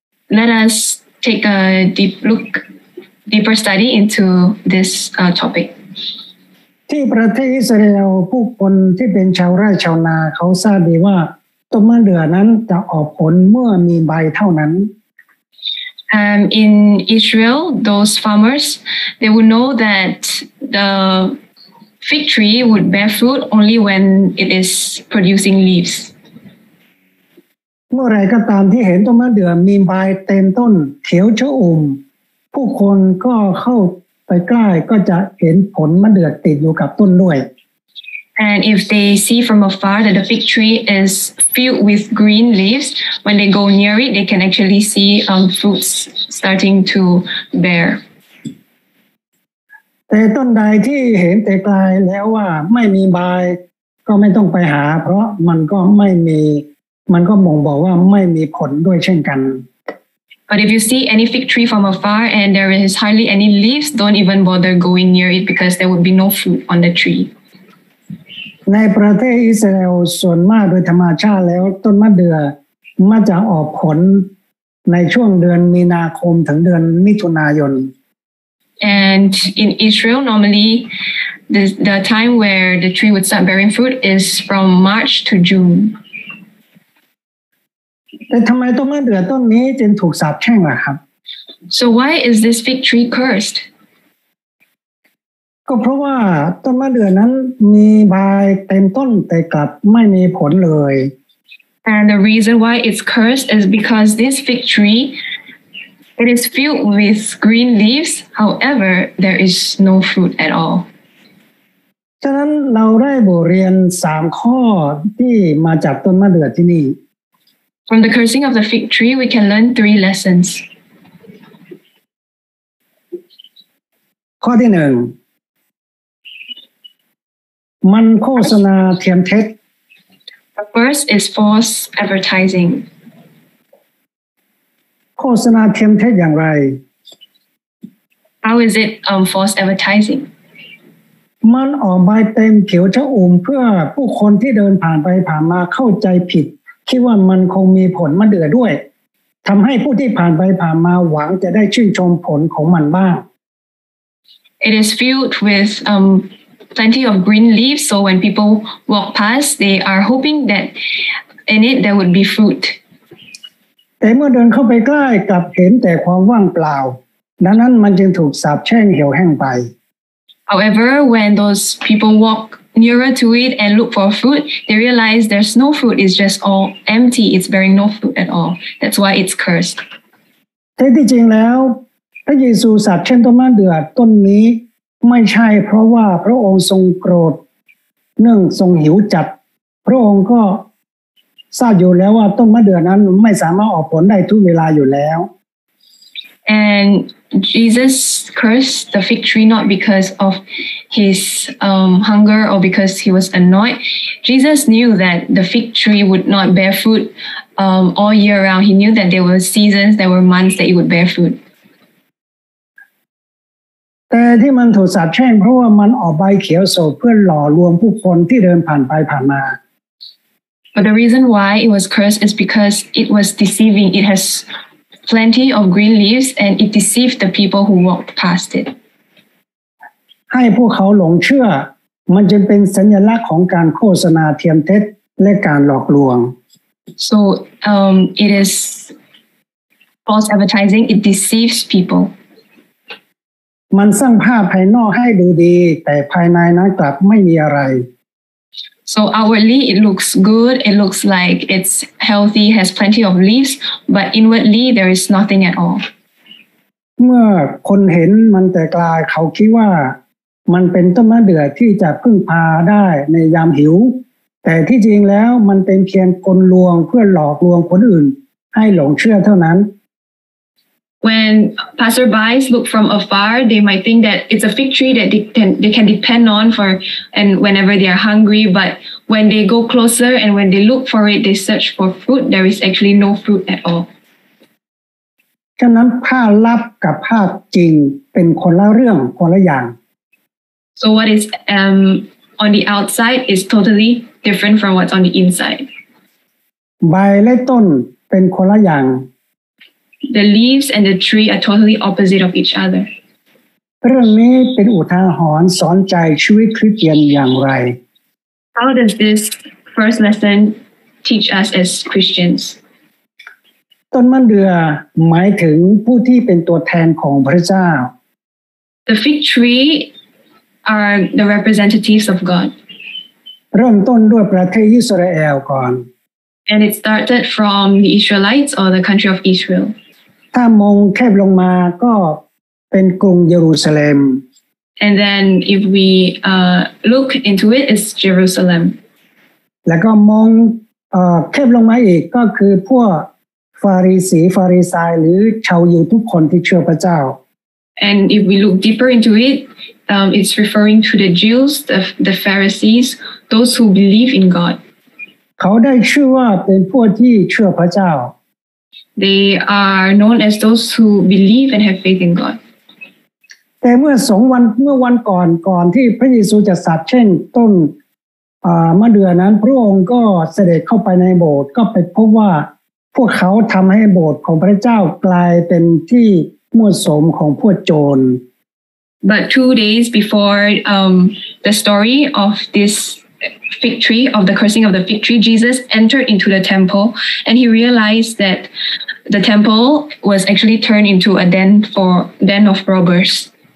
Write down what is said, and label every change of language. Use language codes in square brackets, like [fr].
[en] Let us take a deeper study into this topic. [th] ที่ประเทศอิสราเอลผู้คนที่เป็นชาวไร่ชาวนาเขาทราบดีว่าต้นมะเดื่อนั้นจะออกผลเมื่อมีใบเท่านั้น [en] In Israel, those farmers, they would know that the fig tree would bear fruit only when it is producing leaves. [th] เมื่อไรก็ตามที่เห็นต้นมะเดื่อมีใบเต็มต้นเขียวชะอมผู้คนก็เข้าไปใกล้ก็จะเห็นผลมะเดื่อติดอยู่กับต้นด้วย [en] And if they see from afar that the fig tree is filled with green leaves, when they go near it, they can actually see fruits starting to bear. [th] แต่ต้นใดที่เห็นแต่ไกลแล้วว่าไม่มีใบก็ไม่ต้องไปหาเพราะมันก็ไม่มีมันก็บ่งบอกว่าไม่มีผลด้วยเช่นกัน [en] But if you see any fig tree from afar and there is hardly any leaves, don't even bother going near it because there would be no fruit on the tree. [th] ในประเทศอิสราเอลส่วนมากโดยธรรมชาติแล้วต้นมะเดื่อมักจะออกผลในช่วงเดือนมีนาคมถึงเดือนมิถุนายน [en] And in Israel normally the time where the tree would start bearing fruit is from March to June [th] แต่ทำไมต้นมะเดื่อต้นนี้จึงถูกสาปแช่งล่ะครับ [en] So why is this fig tree cursed? [th] ก็เพราะว่าต้นมะเดื่อนั้นมีใบเต็มต้นแต่กลับไม่มีผลเลย [en] And the reason why it's cursed is because this fig tree it is filled with green leaves however there is no fruit at all [th] ฉะนั้นเราได้บทเรียน3ข้อที่มาจากต้นมะเดื่อที่นี่ [en] From the cursing of the fig tree we can learn 3 lessons [th] ข้อที่1มันโฆษณาเทียมเท็จ [en] The first is false advertising. [th] โฆษณาเทียมเท็จอย่างไร [en] How is it false advertising? [th] มันออกใบเต็มเขียวชะอุ่มเพื่อผู้คนที่เดินผ่านไปผ่านมาเข้าใจผิดคิดว่ามันคงมีผลมะเดื่อด้วยทำให้ผู้ที่ผ่านไปผ่านมาหวังจะได้ชื่นชมผลของมันบ้าง [en] It is filled with plenty of green leaves so when people walk past they are hoping that in it there would be fruit [th] แต่เมื่อเดินเข้าไปใกล้กลับเห็นแต่ความว่างเปล่าดังนั้นมันจึงถูกสาปแช่งเหี่ยวแห้งไป [en] However when those people walk nearer to it and look for fruit they realize there's no fruit it's just all empty it's bearing no fruit at all that's why it's cursed [th] แท้จริงแล้วพระเยซูสาปแช่งต้นมะเดื่อต้นนี้ไม่ใช่เพราะว่าพระองค์ทรงโกรธเนื่องทรงหิวจัดพระองค์ก็ทราบอยู่แล้วว่าต้นมะเดื่อนั้นไม่สามารถออกผลได้ทุกเวลาอยู่แล้ว [en] And Jesus cursed the fig tree not because of his hunger or because he was annoyed Jesus knew that the fig tree would not bear fruit all year round. He knew that there were seasons, there were months that it would bear fruit. [th] แต่ที่มันถูกสาปแช่งเพราะว่ามันออกใบเขียวโสดเพื่อหล่อรวมผู้คนที่เดินผ่านไปผ่านมา [en] But the reason why it was cursed is because it was deceiving. It has plenty of green leaves and it deceived the people who walked past it. [th] ให้พวกเขาหลงเชื่อมันจึงเป็นสัญลักษณ์ของการโฆษณาเทียมเท็จและการหลอกลวง [en] So it is false advertising. It deceives people. [th] มันสร้างภาพภายนอกให้ดูดีแต่ภายในนั้นกลับไม่มีอะไร [en] So outwardly it looks good it looks like it's healthy has plenty of leaves but inwardly there is nothing at all [th] เมื่อคนเห็นมันแต่กลายเขาคิดว่ามันเป็นต้นมะเดื่อที่จะพึ่งพาได้ในยามหิวแต่ที่จริงแล้วมันเป็นเพียงกลลวงเพื่อหลอกลวงคนอื่นให้หลงเชื่อเท่านั้น [en] When passerbys look from afar, they might think that it's a fig tree that they can depend on for and whenever they are hungry. But when they go closer and when they look for it, they search for fruit. There is actually no fruit at all. [th] ฉะนั้นภาพลับกับภาพจริงเป็นคนละเรื่องคนละอย่าง [en] So what is on the outside is totally different from what's on the inside. [th] ใบและต้นเป็นคนละอย่าง [en] The leaves and the tree are totally opposite of each other. [th] เรื่องนี้เป็นอุทาหรณ์สอนใจชีวิตคริสเตียนอย่างไร [en] How does this first lesson teach us as Christians? [th] ต้นมะเดื่อหมายถึงผู้ที่เป็นตัวแทนของพระเจ้า [en] The fig tree are the representatives of God. [th] เริ่มต้นด้วยประเทศอิสราเอลก่อน [en] And it started from the Israelites or the country of Israel. [th] ถ้ามองแคบลงมาก็เป็นกรุงเยรูซาเล็ม [en] And then if we look into it, it's Jerusalem. [th] แล้วก็มองแคบลงมาอีกก็คือพวกฟาริสีฟาริสายหรือชาวยิวทุกคนที่เชื่อพระเจ้า [en] And if we look deeper into it, it's referring to the Jews, the Pharisees, those who believe in God. [th] เขาได้ชื่อว่าเป็นพวกที่เชื่อพระเจ้า [en] They are known as those who believe and have faith in God. [th] แต่เมื่อวันก่อนที่พระเยซูจะสาปแช่งต้นมะเดื่อนั้นพระองค์ก็เสด็จเข้าไปในโบสถ์ก็ไปพบว่าพวกเขาทำให้โบสถ์ของพระเจ้ากลายเป็นที่มั่วสุมของพวกโจร [en] But 2 days before the story of thisfig tree of the cursing of the fig tree Jesus entered into the temple and he realized that the temple was actually turned into a den of robbers